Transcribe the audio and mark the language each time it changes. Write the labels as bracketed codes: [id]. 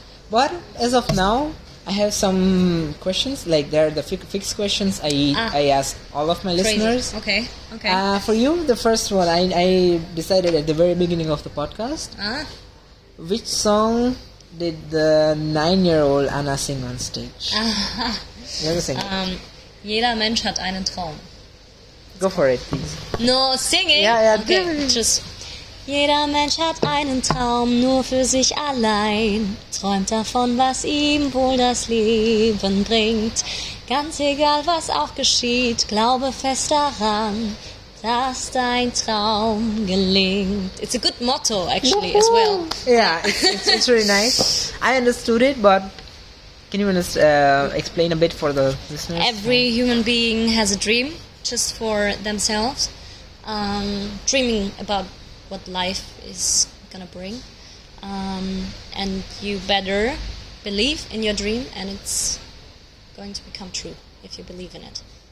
[en] But as of now I have some questions, like they're the fixed questions I ask all of my listeners. Crazy. Okay. For you, the first one, I decided at the very beginning of the podcast, which song did the 9-year-old Anna sing on stage? You have to sing. [de] Jeder Mensch hat einen Traum. [en] Go for it, please. No, singing? Yeah. Okay, just... [de] Jeder Mensch hat einen Traum nur für sich allein, träumt davon, was ihm wohl das Leben bringt. Ganz egal, was auch geschieht, glaube fest daran, dass dein Traum gelingt. [en] It's a good motto, actually, as well. Yeah, it's really nice. I understood it, but can you explain a bit for the listeners? Every human being has a dream, just for themselves, dreaming about what life is gonna bring, and you better believe in your dream, and it's going to become true if you believe in it.